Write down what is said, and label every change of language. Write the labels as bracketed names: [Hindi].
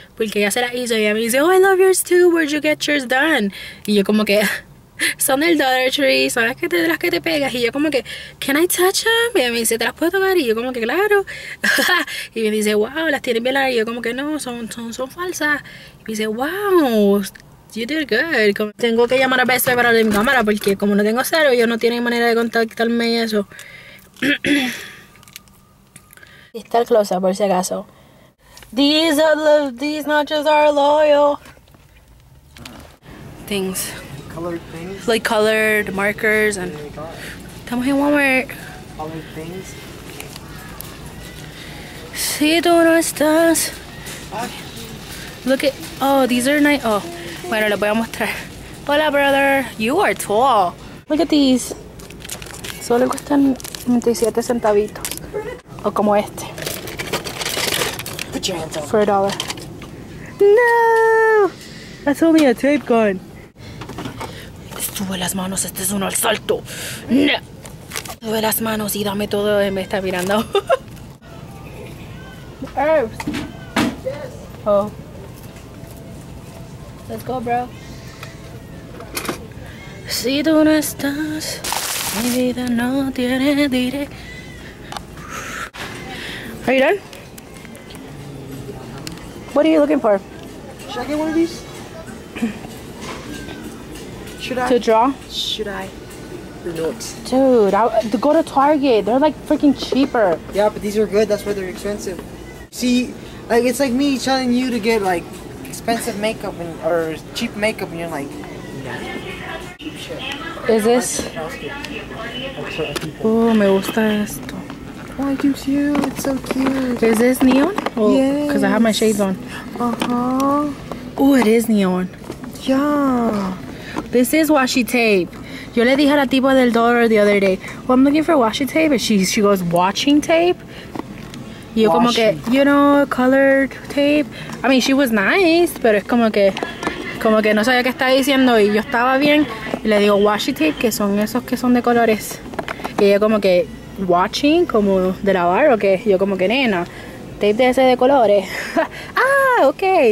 [Spanish] Porque ella se la hizo y ella me dice, [English] oh, I love yours too, where'd you get yours done? [Spanish] Y yo como que, son del Dollar Tree, son las que te pegas. Y yo como que, [English] can I touch them? [Spanish] Y ella me dice, ¿te las puedo tocar? Y yo como que, claro. Y me dice, wow, las tienes bien largas. Y yo como que, no, son falsas. Y me dice, [English] wow, you did good. [Spanish] Como, tengo que llamar a Best Buy para mi cámara porque como no tengo cero, ellos no tienen manera de contactarme y eso. Está el closet por si acaso. [English] These notches are loyal. Things. Colored things. Like colored markers What and. do they call it? [Spanish] Estamos en Walmart. [English] Colored things. [Spanish] Si tú no estás. [English] Look at. Oh, these are nice. Oh. [Spanish] Bueno, les voy a mostrar. [English] Hola, brother. You are tall. Look at these. [Spanish] Solo cuestan 27 centavitos. O como este. [English] Put your hands up. For a dollar. No! That's only a tape gun. [Spanish] Sube las manos, este es un asalto. No! Sube las manos y dame todo, me está mirando. [English] Herbs. Yes. Oh. Let's go, bro. [Spanish] Si tú no estás, mi vida no tiene dire. [English] Are you done? What are you looking for? Should I get one of these? Should I? To draw? Should I? Notes. Dude, go to Target. They're like freaking cheaper. Yeah, but these are good. That's why they're expensive. See, like it's like me telling you to get like expensive makeup and or cheap makeup, and you're like, Is this? Oh, [Spanish] me gusta esto. [English] Why do you? It's so cute. Is this neon? Oh, yes. Cause I have my shades on. Oh, it is neon. Yeah. This is washi tape. [Spanish] Yo le dije a la tipa del dólar [English] the other day, well, I'm looking for washi tape. And she goes, washing tape? [Spanish] Yo [English] washi. [Spanish] Como que, [English] you know, colored tape. I mean, she was nice, [Spanish] pero es como que no sabía qué estaba diciendo y yo estaba bien. Y le digo, washi tape, que son esos que son de colores. Y ella como que, watching, como de lavar o qué. Yo como que, nena, tape de ese de colores. Ah, ok.